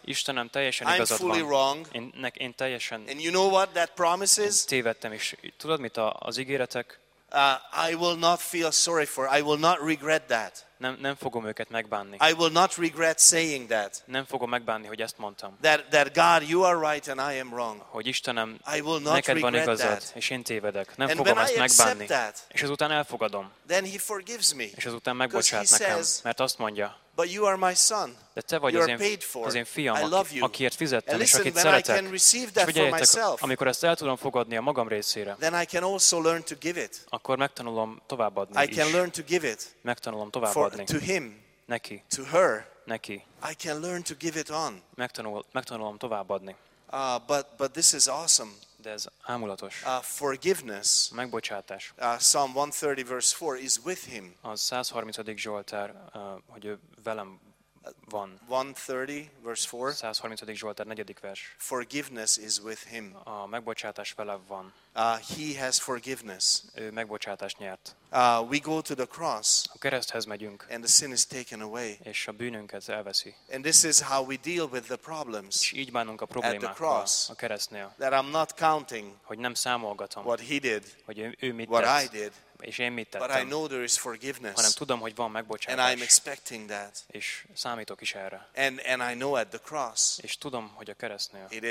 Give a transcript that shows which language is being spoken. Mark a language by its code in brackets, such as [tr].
[hu] Istenem, teljesen igazad van. [en] I'm fully wrong. [hu] Én teljesen. [en] And you know what that promises? [hu] Tévedtem is. Tudod mit az ígéretek? [en] I will not feel sorry for. I will not regret that. [hu] Nem fogom őket megbánni. [en] I will not regret saying that. [hu] Nem fogom megbánni, hogy ezt mondtam. [en] That God, you are right and I am wrong. [hu] Hogy Istenem, [en] I will not [hu] neked van igazad, [en] that. [hu] És én tévedek. Nem [en] and [hu] fogom ezt [en] I [hu] megbánni. [en] That, [hu] és ezután elfogadom. [en] Then he forgives me. [hu] És ezután megbocsát nekem, [en] says, [hu] mert azt mondja. [en] But you are my son. [hu] De te vagy az én fiam, [en] I love you. [hu] Akiért fizettem, [en] and [hu] és [en] listen, [hu] akit szeretek. [en] I can receive that for myself, [hu] amikor ezt el tudom fogadni a magam részére, [en] then I can also learn to give it. [hu] Akkor megtanulom továbbadni [en] I can [hu] is. [en] Learn to give it [hu] megtanulom továbbadni [en] for, to him, [hu] neki, [en] to her, [hu] neki. [en] I can learn to give it on. [hu] Megtanulom továbbadni. [en] But this is awesome. [hu] De ez ámulatos. [en] Forgiveness. [hu] Megbocsátás. [en] Psalm 130 verse 4 is with him. [hu] A 130. Zsoltár, hogy ő velem van. [en] 130 verse 4. [hu] 130. Zsoltár, 4. vers. [en] Forgiveness is with him. [hu] A megbocsátás vele van. [en] He has forgiveness. [hu] Ő megbocsátást nyert. [en] We go to the cross. [hu] A kereszthez megyünk. [en] And the sin is taken away. [hu] És a bűnünket elveszi. [en] And this is how we deal with the problems. [hu] És így bánunk a problémákkal. [en] At the cross. [hu] A keresztnél. [en] That I'm not counting. [hu] Hogy nem számolgatom. [en] What he did. [hu] Hogy ő mit tett. [en] What I did. [hu] És én mit tettem. [en] But I know there is forgiveness. [hu] Hanem tudom, hogy van megbocsátás. [en] And I'm expecting that. [hu] És számítok is erre. [en] And I know at the cross. [hu] És tudom, hogy a keresztnél.